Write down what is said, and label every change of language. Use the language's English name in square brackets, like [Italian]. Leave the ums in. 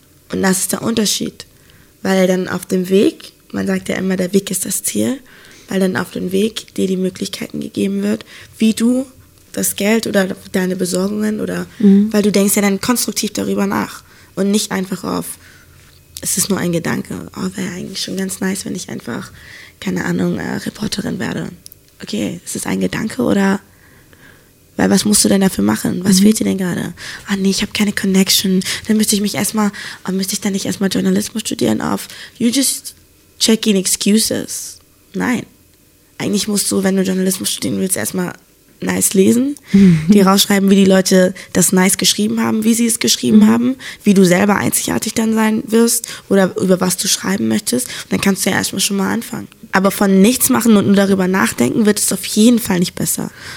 [German] Und das ist der Unterschied, weil dann auf dem Weg, man sagt ja immer, der Weg ist das Ziel, weil dann auf dem Weg dir die Möglichkeiten gegeben wird, wie du das Geld oder deine Besorgungen oder, weil du denkst ja dann konstruktiv darüber nach und nicht einfach auf, es ist nur ein Gedanke. Oh, wäre eigentlich schon ganz nice, wenn ich einfach, keine Ahnung, äh, Reporterin werde. Okay, ist es ein Gedanke oder weil was musst du denn dafür machen? Was fehlt dir denn gerade? Ah nee, ich habe keine Connection. Dann müsste ich mich erstmal, ah, müsste ich dann nicht erstmal Journalismus studieren auf? [English] You just checking excuses. [German] Nein. Eigentlich musst du, wenn du Journalismus studieren willst, erstmal nice lesen, dir rausschreiben, wie die Leute das nice geschrieben haben, wie sie es geschrieben haben, wie du selber einzigartig dann sein wirst oder über was du schreiben möchtest. Und dann kannst du ja erstmal schon mal anfangen. Aber von nichts machen und nur darüber nachdenken, wird es auf jeden Fall nicht besser.